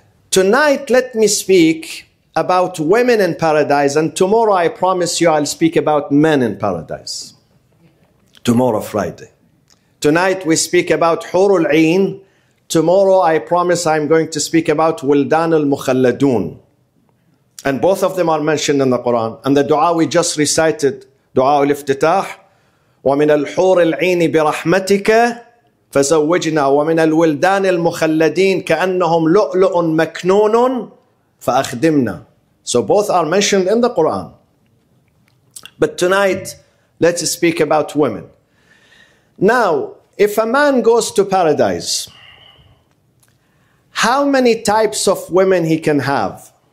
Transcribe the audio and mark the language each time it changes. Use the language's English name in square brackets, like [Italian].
[English] Tonight, let me speak about women in paradise, and tomorrow, I promise you, I'll speak about men in paradise. Tomorrow, Friday. Tonight, we speak about Hurul Ain. Tomorrow, I promise I'm going to speak about Wildan al-Mukhalladun. And both of them are mentioned in the Quran. And the dua we just recited, dua al-iftitah, [Arabic] وَمِنَ الْحُورِ الْعِينِ بِرَحْمَتِكَ فَزَوَّجْنَا وَمِنَ الْوِلْدَانِ الْمُخَلَّدِينَ كَأَنَّهُمْ لُؤْلُؤٌ مَكْنُونٌ فَأَخْدِمْنَا. [English] So both are mentioned in the Quran. But tonight, let's speak about women. Now, if a man goes to paradise, how many types of women he can have?